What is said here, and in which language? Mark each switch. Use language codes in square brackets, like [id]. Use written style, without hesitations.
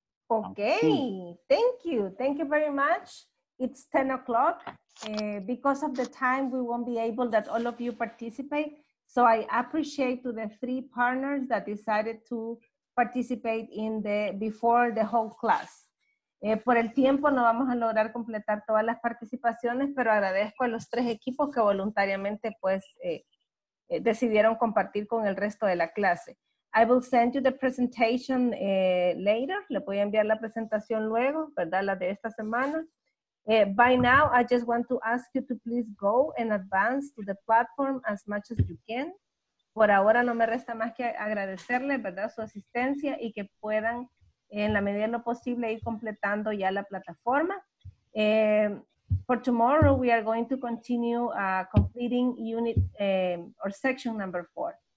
[en] Okay, thank you very much. It's 10 o'clock. Because of the time, we won't be able that all of you participate. So I appreciate to the 3 partners that decided to participate in the before the whole class. [es] Por el tiempo no vamos a lograr completar todas las participaciones, pero agradezco a los 3 equipos que voluntariamente pues decidieron compartir con el resto de la clase. [en] I will send you the presentation later. [es] Le voy a enviar la presentación luego, ¿verdad? La de esta semana. [en] By now, I just want to ask you to please go and advance to the platform as much as you can. [es] Por ahora no me resta más que agradecerle, ¿verdad? Su asistencia y que puedan, en la medida de lo posible, ir completando ya la plataforma. [en] for tomorrow, we are going to continue completing unit or section number 4.